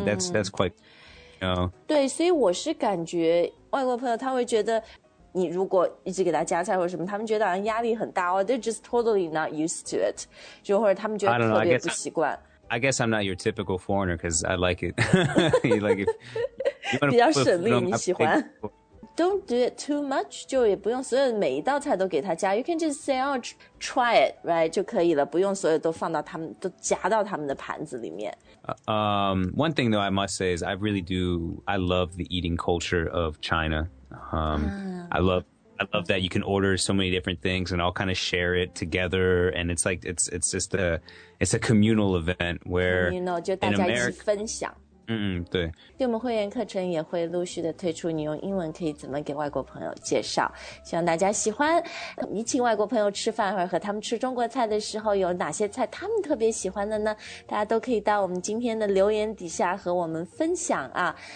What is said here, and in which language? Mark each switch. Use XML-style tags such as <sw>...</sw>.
<en>Mm-hmm. That's quite, you know.</en> <zh>对,所以我是感觉外国朋友他会觉得你如果一直给他加菜或什么他们觉得好像压力很大、哦、</zh> <en>They're just totally not used to it</en> <zh>就或者他们觉得特别不习惯</zh> <en>I guess I'm not your typical foreigner because I like it like if,</en> <zh>比较省力你喜欢</zh> <en>Don't do it too much</en> <zh>就也不用所有每一道菜都给他加</zh> <en>You can just say oh try it right</en> <zh>就可以了不用所有都放到他们都夹到他们的盘子里面</zh> <en>One thing though I must say is I love the eating culture of China. I love that you can order so many different things and all kind of share it together. And it's like, it's just a communal event where communal,</en> <zh>就大家一起分享</zh> <en>in America, 对。</en> <zh>对我们会员课程也会陆续的推出，你用英文可以怎么给外国朋友介绍，希望大家喜欢。你请外国朋友吃饭或者和他们吃中国菜的时候，有哪些菜他们特别喜欢的呢？大家都可以到我们今天的留言底下和我们分享啊。</zh>